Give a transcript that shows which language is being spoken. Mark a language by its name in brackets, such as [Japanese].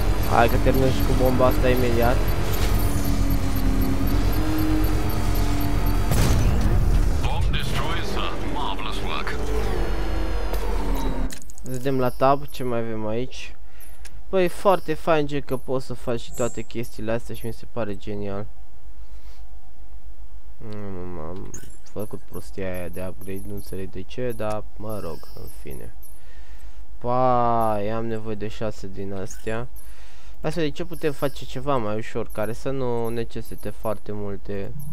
[Romanian] Hai că termin și cu bomba asta imediat. [English] Bomb destroys, marvelous work. [Romanian] Vedem la tab ce mai avem aici. Băi, foarte fain, gen, că poți să faci și toate chestiile astea și mi se pare genial. M-am făcut prostia aia de upgrade, nu înțeleg de ce, dar mă rog, în fine. Pai, am nevoie de 6 din astea. Asta de ce putem face ceva mai ușor, care să nu necesite foarte multe.